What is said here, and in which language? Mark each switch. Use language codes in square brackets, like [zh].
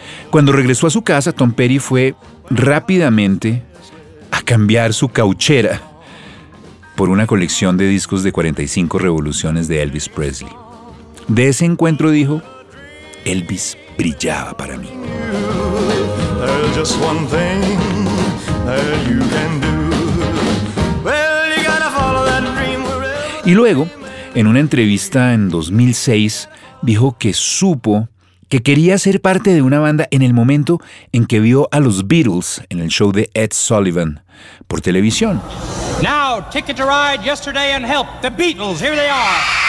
[es] Cuando regresó a su casa, Tom Petty fue rápidamente a cambiar su cauchera por una colección de discos de 45 revoluciones de Elvis Presley. De ese encuentro dijo, Elvis brillaba para mí. [en] There's just one thing that you can do. Well, you gotta follow that dream. [es] Y luego, en una entrevista en 2006, dijo que supo que quería ser parte de una banda en el momento en que vio a los Beatles en el show de Ed Sullivan por televisión. [en] Now, Ticket to Ride, Yesterday and Help, the Beatles, here they are.